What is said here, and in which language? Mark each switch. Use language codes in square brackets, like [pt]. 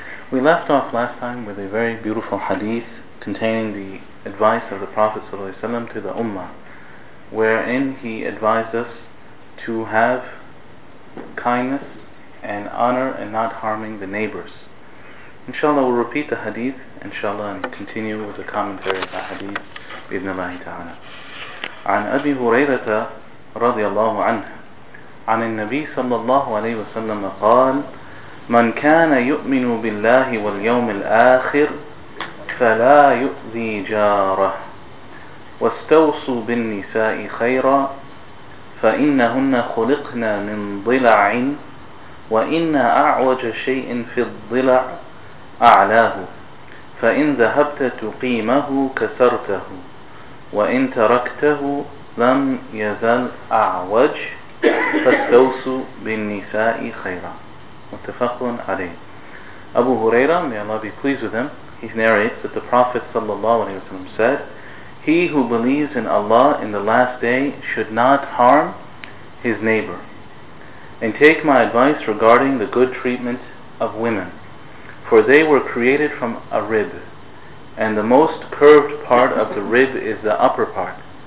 [en] We left off last time with a very beautiful hadith containing the advice of the Prophet ﷺ to the ummah, wherein he advised us to have kindness and honor and not harming the neighbors. Inshallah, we'll repeat the hadith, inshallah, and continue with the commentary of the hadith, [ar] بإذن الله تعالى. عن أبي هريرة رضي الله عنه عن النبي صلى الله عليه وسلم قال: من كان يؤمن بالله واليوم الآخر فلا يؤذي جاره، واستوصوا بالنساء خيرا، فإنهن خلقنا من ضلع، وإن أعوج شيء في الضلع أعلاه، فإن ذهبت تقيمه كسرته، وإن تركته لم يزل أعوج، فاستوصوا بالنساء خيرا. متفق عليه. [en] أبو هريرة, may Allah be pleased with him, he narrates that the Prophet [ar] صلى الله عليه وسلم [en] said, he who believes in Allah in the last day should not harm his neighbor, and take my advice regarding the good treatment of women, for they were created from a rib, and the most curved part of the rib is the upper part.